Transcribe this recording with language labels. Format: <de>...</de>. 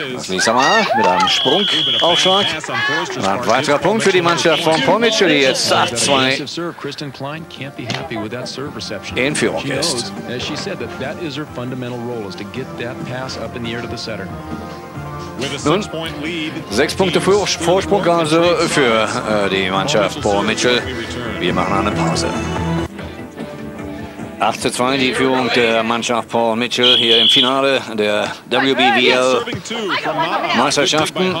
<de>Lisa Mal mit einem Sprung Aufschlag. Ein weiterer Punkt für die Mannschaft von Paul Mitchell, die jetzt 8-2 in Führung ist.</de> <en>As she said, that is her fundamental role, is to get that pass up in the air to the setter.</en> <de>Nun, 6 Punkte Vorsprung also für die Mannschaft Paul Mitchell. Wir machen eine Pause. 8:2 die Führung der Mannschaft Paul Mitchell hier im Finale der WBBL Meisterschaften.</de>